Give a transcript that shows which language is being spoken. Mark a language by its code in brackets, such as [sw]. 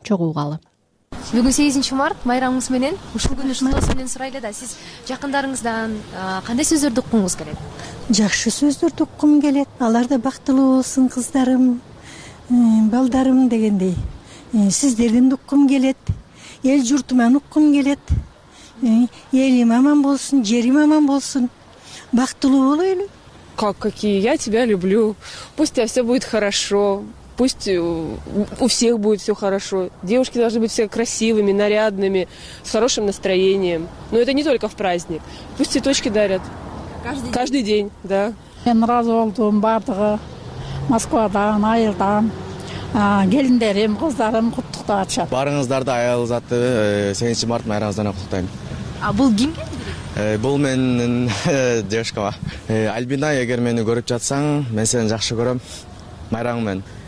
[ky] Чогуугалы. Бүгүн 8 март майрамыңыз менен ушул күндү шылтоосу менен сурай эле да, сиз жакындарыңыздан кандай сөздөрдү уккуңуз келет? Жакшы сөздөрдү уккум келет. Алар да бактылуу болсун кыздарым, балдарым дегендей. Сиздердин уккум келет. Эл журтуман уккум келет. Елим аман болсун, жерим аман болсун. Бактылуу болойлу. [ru] Как какие? Я тебя люблю. Пусть у тебя все будет хорошо. Пусть у всех будет все хорошо. Девушки должны быть все красивыми, нарядными, с хорошим настроением. Но это не только в праздник. Пусть цветочки дарят. Каждый день? Каждый день, да. [ky] Мен разовалдым бардыгы Москвадан, айылдан. Келиндерим, кыздарым куттуктап атышат. Баарыңыздарды аял заты 8 март майрамыңыздан куттайм. А бул кимге? Бул менин девушкама. Альбина, эгер мени көрүп жатсаң, мен сени жакшы көрөм. Майрамың менен.